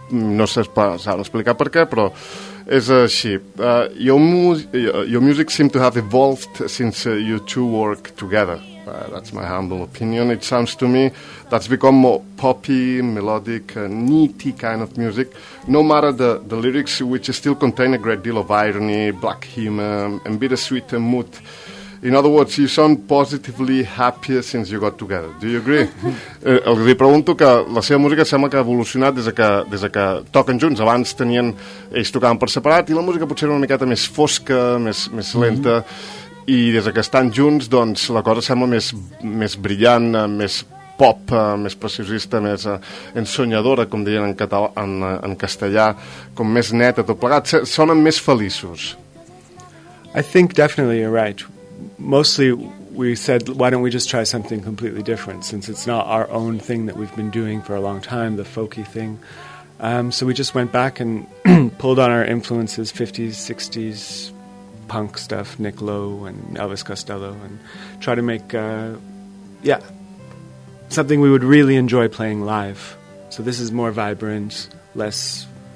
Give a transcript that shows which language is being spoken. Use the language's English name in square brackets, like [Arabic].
[Catalan] No sé si s'han explicat per què, però és així. [English] Your music seem to have evolved since you two work together. That's my humble opinion. It sounds to me that's become more poppy, melodic, neaty kind of music. No matter the lyrics, which still contain a great deal of irony, black humor, and bittersweet mood. In other words, you sound positively happier since you got together. Do you agree? [Catalan] Li pregunto que la seva música sembla que ha evolucionat des que toquen junts. Abans tenien, ells tocaven per separat i la música potser era una miqueta més fosca, més lenta. I des que estan junts, doncs, la cosa sembla més brillant, més pop, més preciosista, més ensonyadora, com deien en castellà, com més neta, tot plegat. Sonen més feliços. [English] I think definitely you're right. Mostly we said, why don't we just try something completely different, since it's not our own thing that we've been doing for a long time, the folky thing. So we just went back and pulled on our influences, 50s, 60s, punk stuff, Nick Lowe and Elvis Costello, and try to make, something we would really enjoy playing live. So this is more vibrant, less...